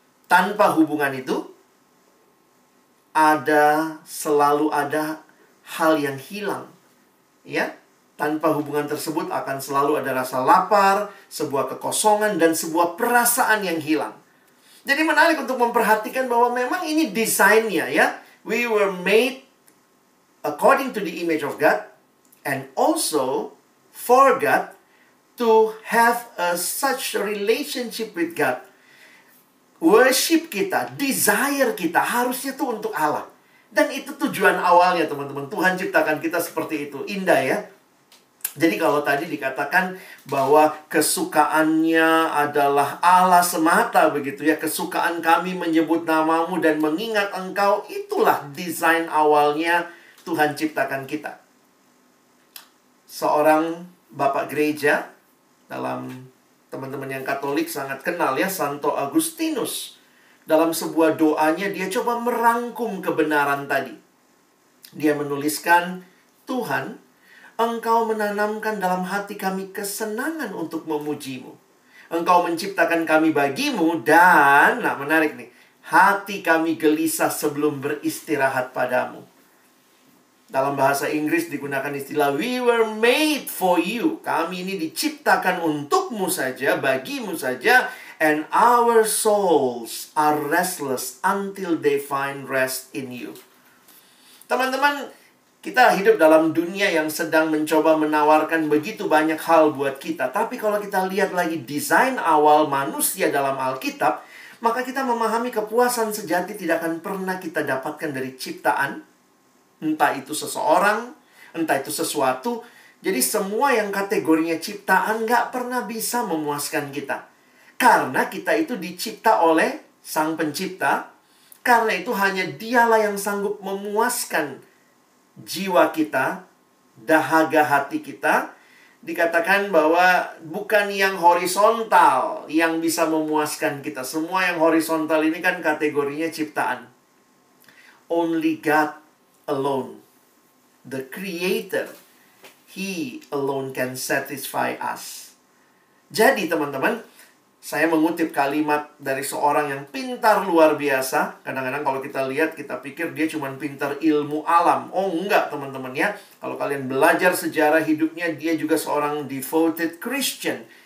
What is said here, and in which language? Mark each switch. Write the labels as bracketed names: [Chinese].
[Indonesian] Tanpa hubungan itu, selalu ada hal yang hilang. Ya? Tanpa hubungan tersebut akan selalu ada rasa lapar, sebuah kekosongan, dan sebuah perasaan yang hilang. Jadi menarik untuk memperhatikan bahwa memang ini desainnya ya. [English] We were made according to the image of God and also for God to have a such relationship with God. [Indonesian] Worship kita, desire kita harusnya tuh untuk Allah. Dan itu tujuan awalnya teman-teman. Tuhan ciptakan kita seperti itu. Indah ya. Jadi kalau tadi dikatakan bahwa kesukaannya adalah Allah semata begitu ya, kesukaan kami menyebut namamu dan mengingat engkau, itulah desain awalnya Tuhan ciptakan kita. Seorang bapak gereja dalam teman-teman yang Katolik sangat kenal ya, Santo Agustinus, dalam sebuah doanya dia coba merangkum kebenaran tadi. Dia menuliskan, Tuhan, Engkau menanamkan dalam hati kami kesenangan untuk memujimu. Engkau menciptakan kami bagimu dan, nah menarik nih, hati kami gelisah sebelum beristirahat padamu. Dalam bahasa Inggris digunakan istilah, [English] we were made for you. [Indonesian] Kami ini diciptakan untukmu saja, bagimu saja. [English] And our souls are restless until they find rest in you. [Indonesian] Teman-teman, kita hidup dalam dunia yang sedang mencoba menawarkan begitu banyak hal buat kita. Tapi kalau kita lihat lagi desain awal manusia dalam Alkitab, maka kita memahami kepuasan sejati tidak akan pernah kita dapatkan dari ciptaan. Entah itu seseorang, entah itu sesuatu. Jadi semua yang kategorinya ciptaan gak pernah bisa memuaskan kita. Karena kita itu dicipta oleh Sang Pencipta. Karena itu hanya Dialah yang sanggup memuaskan jiwa kita, dahaga hati kita. Dikatakan bahwa bukan yang horizontal yang bisa memuaskan kita. Semua yang horizontal ini kan kategorinya ciptaan. [English] Only God alone, the creator, He alone can satisfy us. [Indonesian] Jadi teman-teman, saya mengutip kalimat dari seorang yang pintar luar biasa. Kadang-kadang kalau kita lihat, kita pikir dia cuma pintar ilmu alam. Oh enggak teman-teman ya. Kalau kalian belajar sejarah hidupnya, dia juga seorang [English] devoted Christian.